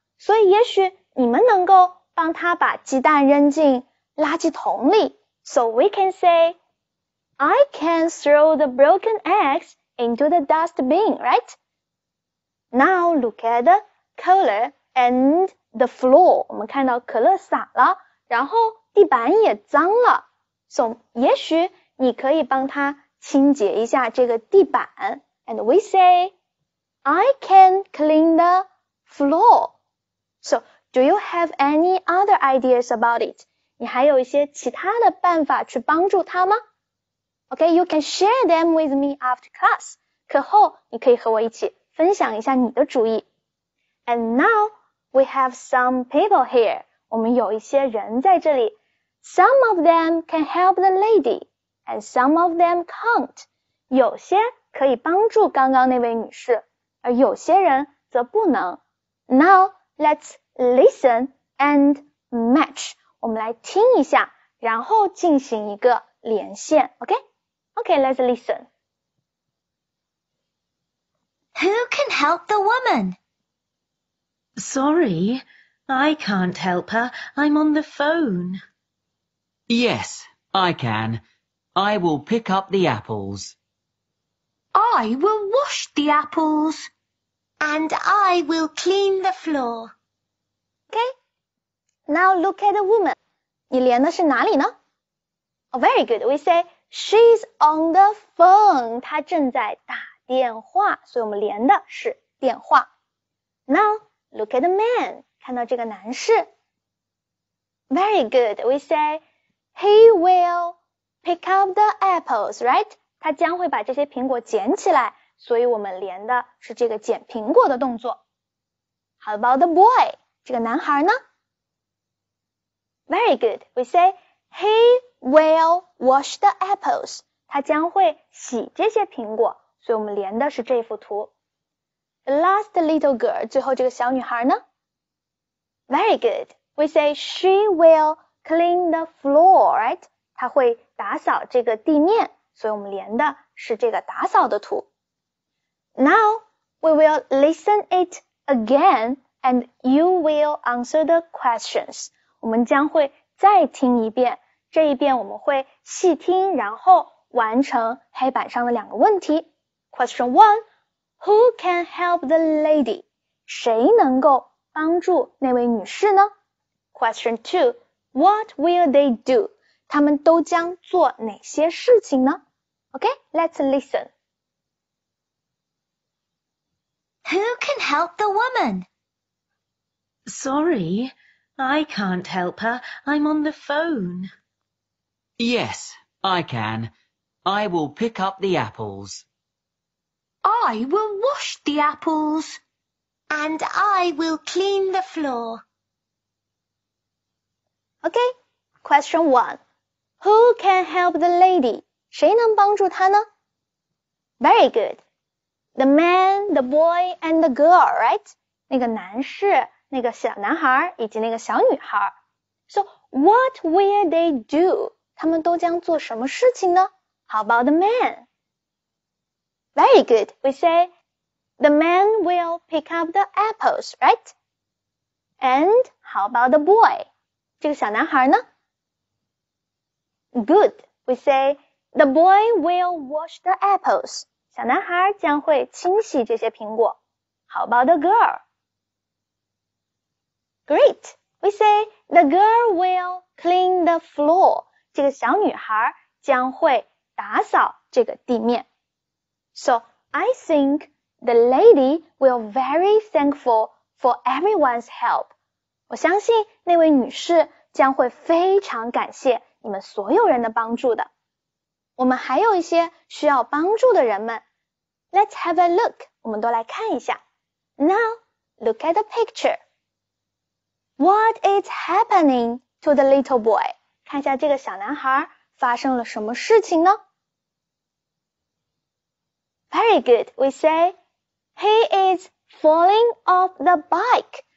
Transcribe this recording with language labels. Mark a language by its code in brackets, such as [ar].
[zh] 所以也许你们能够帮他把鸡蛋扔进垃圾桶里。 [en] So we can say, I can throw the broken eggs into the dustbin, right? Now look at the cola and the floor. [zh] 我们看到可乐洒了，然后地板也脏了。 So, 也许你可以帮他清洁一下这个地板。 [en] And we say, I can clean the floor. So, do you have any other ideas about it? [zh] 你还有一些其他的办法去帮助他吗？ [en] Okay, you can share them with me after class. [zh] 课后你可以和我一起分享一下你的主意。 [en] And now we have some people here. [zh] 我们有一些人在这里。 [en] Some of them can help the lady, and some of them can't. [zh] 有些可以帮助刚刚那位女士，而有些人则不能。 [en] Now let's listen and match. [zh] 我们来听一下，然后进行一个连线。 [en] Okay, let's listen. Who can help the woman? Sorry, I can't help her. I'm on the phone. Yes, I can. I will pick up the apples. I will wash the apples. And I will clean the floor. Okay, now look at the woman. [zh] 你连的是哪里呢？ [en] Oh, very good. We say, she's on the phone. [zh] 她正在打。电话，所以我们连的是电话。 [en] Now, look at the man. [zh] 看到这个男士。 [en] Very good. We say, he will pick up the apples, right? [zh] 他将会把这些苹果捡起来，所以我们连的是这个捡苹果的动作。 [en] How about the boy? [zh] 这个男孩呢？ [en] Very good. We say, he will wash the apples. [zh] 他将会洗这些苹果。所以我们连的是这幅图。 [en] The last little girl, [zh] 最后这个小女孩呢？ [en] Very good. We say she will clean the floor, right? [zh] 她会打扫这个地面。所以我们连的是这个打扫的图。 [en] Now, we will listen it again and you will answer the questions. [zh] 我们将会再听一遍。这一遍我们会细听然后完成黑板上的两个问题。 [en] Question 1. Who can help the lady? [zh] 谁能够帮助那位女士呢? [en] Question 2. What will they do? [zh] 他们都将做哪些事情呢? [en] Okay, let's listen. Who can help the woman? Sorry, I can't help her. I'm on the phone. Yes, I can. I will pick up the apples. I will wash the apples. And I will clean the floor. Okay, question one. Who can help the lady? [zh] 谁能帮助她呢? [en] Very good. The man, the boy, and the girl, right? [zh] 那个男士、那个小男孩以及那个小女孩。 [en] So, what will they do? [zh] 他们都将做什么事情呢? [en] How about the man? Very good. We say, the man will pick up the apples, right? And how about the boy? [zh] 这个小男孩呢? [en] Good. We say, the boy will wash the apples. [zh] 小男孩将会清洗这些苹果。 [en] How about the girl? Great. We say, the girl will clean the floor. [zh] 这个小女孩将会打扫这个地面。 [en] So, I think the lady will be very thankful for everyone's help. [zh] 我相信那位女士将会非常感谢你们所有人的帮助的。我们还有一些需要帮助的人们。 [en] Let's have a look. [zh] 我们都来看一下。 [en] Now, look at the picture. What is happening to the little boy? [zh] 看一下这个小男孩发生了什么事情呢? [en] Very good. We say, he is falling off the bike.